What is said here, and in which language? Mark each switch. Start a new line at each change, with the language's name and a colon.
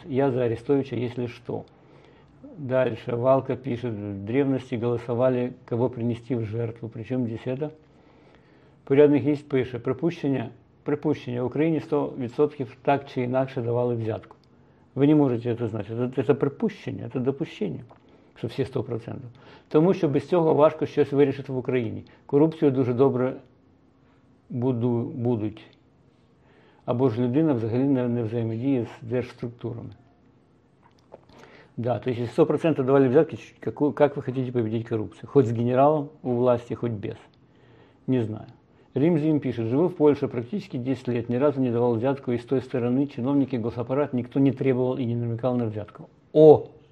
Russian: Я за Арестовича, если что. Дальше Валка пишет, в древности голосовали, кого принести в жертву. Причем здесь это? Порядных есть пишет, пропущение. Украине 100% так чи иначе давали взятку. Вы не можете это знать. Это пропущение, это допущение, что все 100%.
Ukrainian: Тому що без цього важко щось вирішити в Україні. Корупцію дуже добре будуть. або ж людина взагалі не взаємодіє з держструктурами.
Russian: Да, то есть 100% давали взятки, как вы хотите победить коррупцию? Хоть с генералом у власти, хоть без. Не знаю. Рим Зим пишет, живу в Польше практически 10 лет, ни разу не давал взятку, и с той стороны чиновники, госаппарат, никто не требовал и не намекал на взятку. О!